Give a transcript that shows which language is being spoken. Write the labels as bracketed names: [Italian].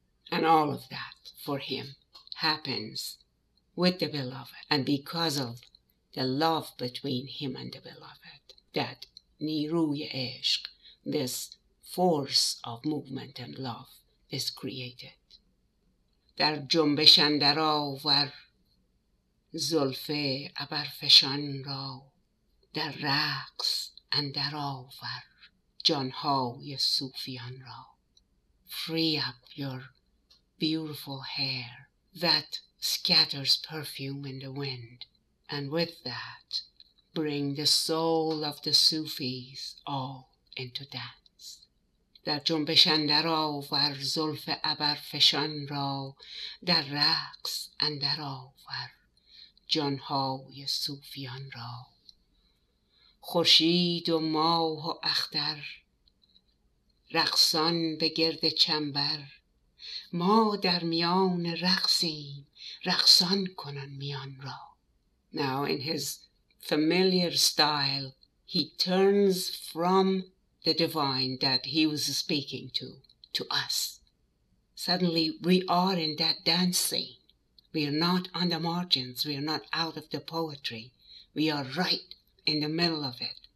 [English] And all of that, for him, happens with the beloved, and because of the love between him and the beloved, that niruye ishq, this force of movement and love, is created. [Persian] در جنبش اندر آور زلف ابرفشان را، در رقص اندر آور جانهای صوفیان را. [English] Free up your beautiful hair that scatters perfume in the wind, and with that bring the soul of the Sufis all into dance. [Persian] در جنبش اندر آور زلف ابرفشان را، در رقص اندر آور جانهای صوفیان را. خورشید و ماه و اختر رقصان به گرد چنبر، ما در میان رقصیم رقصان کنن میان را. [English] Now in his familiar style, he turns from the divine that he was speaking to us. Suddenly we are in that dance scene. We are not on the margins. We are not out of the poetry. We are right in the middle of it.